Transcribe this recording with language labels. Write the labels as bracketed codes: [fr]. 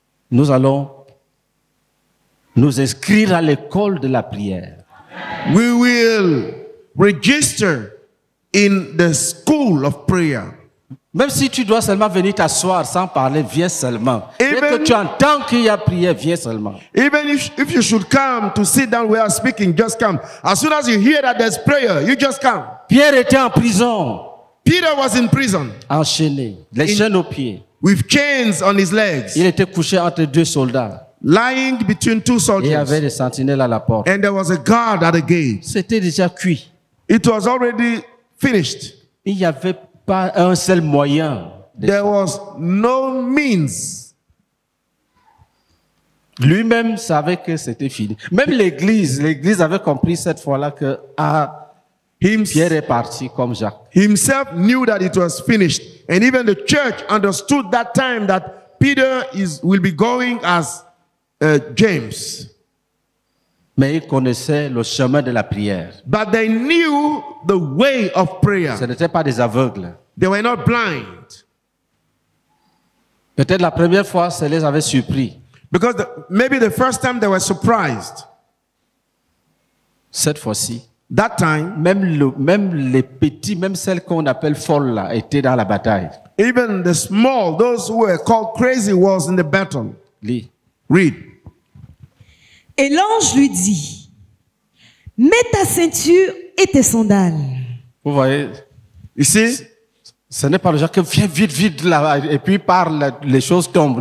[fr] Nous allons nous inscrire à l'école de la prière. [en] We will register in the school of prayer. [fr] Même si tu dois seulement venir t'asseoir sans parler, viens seulement. Dès que tu entends qu'il y a prière, viens seulement. [en] Even if you should come to sit down where I'm speaking, just come. As soon as you hear that there's prayer, you just come. [fr] Pierre était en prison. [en] Peter was in prison. [fr] Enchaîné, les chaînes aux pieds. [en] With chains on his legs. [fr] Il était couché entre deux soldats. [en] Lying between two soldiers. [fr] Il y avait des sentinelles à la porte. [en] And there was a guard at the gate. [fr] C'était déjà cuit. [en] It was already finished. [fr] Il y avait pas un seul moyen. [en] There was no means. [fr] Lui-même savait que c'était fini. Même l'église avait compris cette fois-là que Pierre est parti comme Jacques. [en] Himself knew that it was finished, and even the church understood that time that Peter will be going as James. [fr] Mais ils connaissaient le chemin de la prière. [en] But they knew the way of prayer. [fr] Ce n'étaient pas des aveugles. [en] They were not blind. [fr] Peut-être la première fois, ça les avait surpris. [en] Because maybe the first time they were surprised. [fr] Cette fois-ci, [en] that time, [fr] même les petits, celles qu'on appelle folles, là, étaient dans la bataille. [en] Even the small, those who were called crazy, was in the battle. [fr] Lis. [en] Read. [fr] Et l'ange lui dit: mets ta ceinture et tes sandales. Vous voyez, ici, ce n'est pas le genre que viens vite, vite là, et puis parle, les choses tombent.